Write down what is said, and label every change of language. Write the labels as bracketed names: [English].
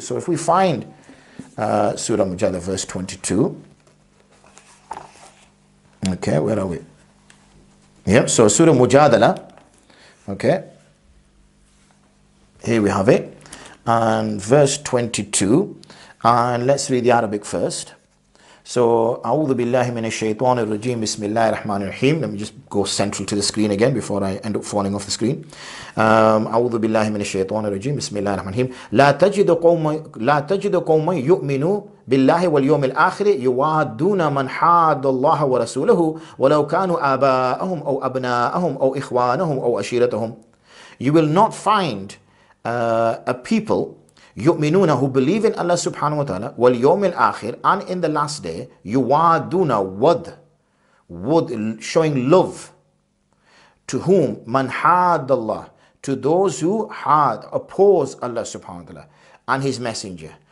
[English] So if we find Surah Mujadila, verse 22. Okay, where are we? Yep, so Surah Mujadila, okay. Here we have it, and verse 22, and let's read the Arabic first. [Arabic] So, أعوذ بالله من الشيطان الرجيم بسم الله الرحمن الرحيم. [English] Let me just go central to the screen again before I end up falling off the screen. [Arabic] أعوذ بالله من الشيطان الرجيم بسم الله الرحمن الرحيم. لا تجد قوم يؤمنوا بالله واليوم الآخر يوادون من حاد الله ورسوله ولو كانوا آباءهم أو أبناءهم أو إخوانهم أو أشيرتهم. [English] You will not find a people, yu'minuna, who believe in Allah subhanahu wa ta'ala, wal yawmil akhir, and in the last day, yuwaduna, wad, showing love to whom? Man haddallah. To those who had oppose Allah subhanahu wa ta'ala and His Messenger.